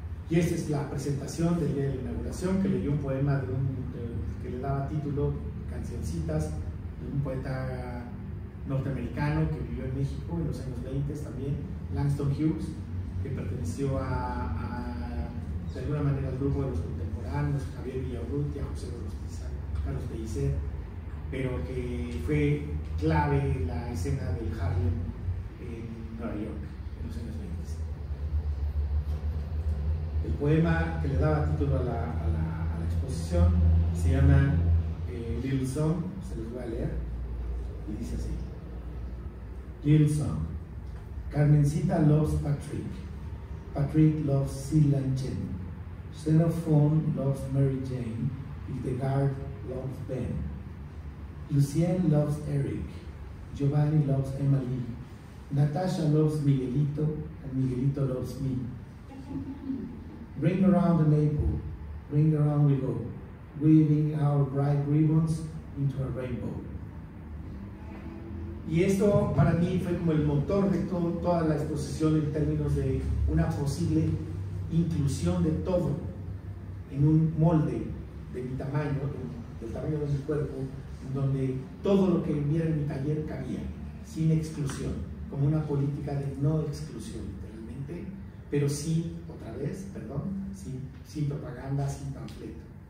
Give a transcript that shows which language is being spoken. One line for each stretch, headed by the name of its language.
Spanish: Y esta es la presentación del día de la inauguración, que leyó un poema que le daba título Cancioncitas, de un poeta norteamericano que vivió en México en los años 20 también, Langston Hughes, que perteneció a de alguna manera al grupo de los contemporáneos, Javier Villaurrutia, José Rostizal, Carlos Pellicer, pero que fue clave en la escena del Harlem en Nueva York en los años 20. El poema que le daba título a la exposición se llama Little Song, se los voy a leer, y dice así.
English: Little Song. Carmencita loves Patrick. Patrick loves Celia and Jenny. Xenophon loves Mary Jane. Hildegard loves Ben. Lucien loves Eric. Giovanni loves Emily. Natasha loves Miguelito, and Miguelito loves me. Ring around the maple, ring around we go, weaving our bright ribbons into a rainbow.
Spanish: Y esto para mí fue como el motor de toda la exposición en términos de una posible inclusión de todo en un molde de mi tamaño, del tamaño de mi cuerpo, donde todo lo que hubiera en mi taller cabía, sin exclusión, como una política de no exclusión, literalmente, pero sí, otra vez, perdón, sí, sin propaganda, sin panfleto.